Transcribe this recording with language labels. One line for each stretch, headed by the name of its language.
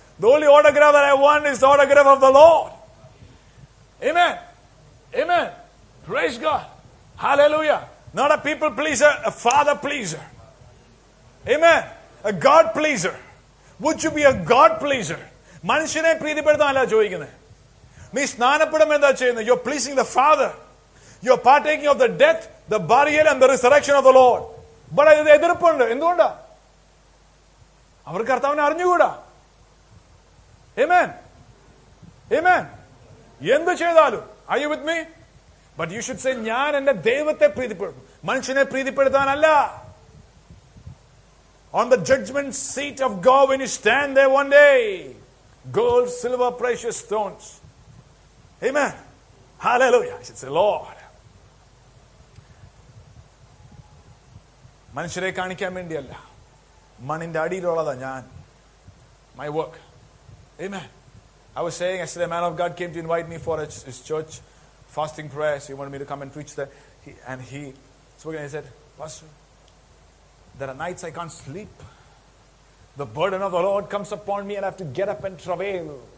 English: The only autograph that I want is the autograph of the Lord. Amen. Amen. Praise God. Hallelujah. Not a people pleaser, a father pleaser. Amen. A God pleaser. Would you be a God pleaser?
Malayalam: മനുഷ്യനെ പ്രീതിപ്പെടുത്താനല്ല ചോദിക്കുന്നത്. നീ സ്നാനപ്പെടും എന്താ ചെയ്യുന്നത്?
English: You are pleasing the father. You are partaking of the death, the burial and the resurrection of the Lord.
Malayalam: But അതിന് എതിർപ്പുണ്ട്. എന്തുകൊണ്ടാ? അവർക്ക് കർത്താവിനെ അറിഞ്ഞുകൂടാ. ആമേൻ. ആമേൻ. എന്ത് ചെയ്താലും,
English: Are you with me? But you should say,
Malayalam: ഞാൻ എന്റെ ദൈവത്തെ പ്രീതിപ്പെടുന്നു. മനുഷ്യനെ പ്രീതിപ്പെടുത്താനല്ല.
English: On the judgment seat of God when you stand there one day. Gold, silver, precious stones. Amen. Hallelujah. I should say, Lord.
Malayalam: മനുഷ്യരെ കാണിക്കാൻ വേണ്ടിയല്ല, മണ്ണിന്റെ അടിയിലുള്ളതാ ഞാൻ.
English: My work. Amen. I was saying, I said, a man of God came to invite me for his church fasting prayers. He wanted me to come and preach there. He spoke and he said, Pastor, there are nights I can't sleep. The burden of the Lord comes upon me and I have to get up and travail.